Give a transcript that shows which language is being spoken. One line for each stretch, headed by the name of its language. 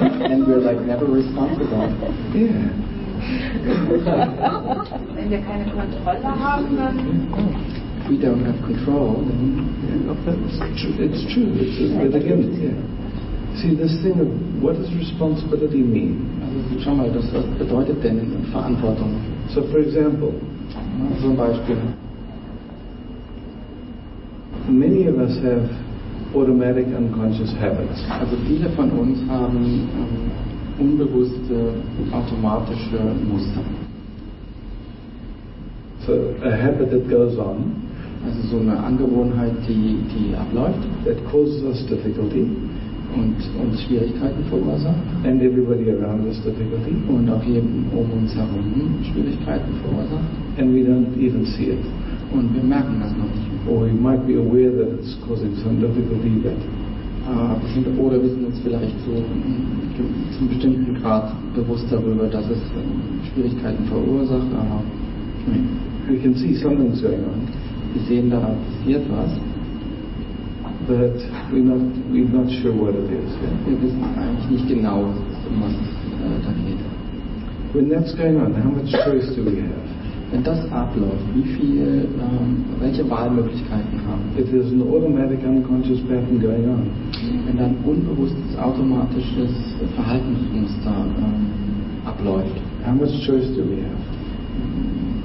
English: And we're like never responsible.
German: Wenn wir keine Kontrolle haben, dann.
English: We don't have control. It's true. It's true. But again, yeah. See, this thing of what does responsibility mean?
German: Also, schau mal, das bedeutet denn in Verantwortung?
English: So, for example,
German: zum Beispiel,
English: many of us have automatic unconscious habits.
German: Also, viele von uns haben unbewusste, automatische Muster.
English: So, a habit that goes on.
German: Also, so eine Angewohnheit, die abläuft.
English: That causes us difficulty.
German: Und uns Schwierigkeiten verursacht.
English: And everybody around us difficulty.
German: Und auch jedem um uns herum Schwierigkeiten verursacht.
English: And we don't even see it.
German: Und wir merken das noch nicht.
English: Or we might be aware that it's causing some difficulty, but
German: oder wir sind uns vielleicht so zum bestimmten Grad bewusst darüber, dass es Schwierigkeiten verursacht, aber
English: we can see something's going on.
German: Wir sehen, da passiert was.
English: But we're not sure what it is.
German: Wir wissen eigentlich nicht genau, um was es da geht.
English: When that's going on, how much choice do we have?
German: Wenn das abläuft, wie viel, welche Wahlmöglichkeiten haben wir?
English: If there's an automatic unconscious pattern going on.
German: Wenn dann unbewusstes, automatisches Verhaltensmuster abläuft.
English: How much choice do we have?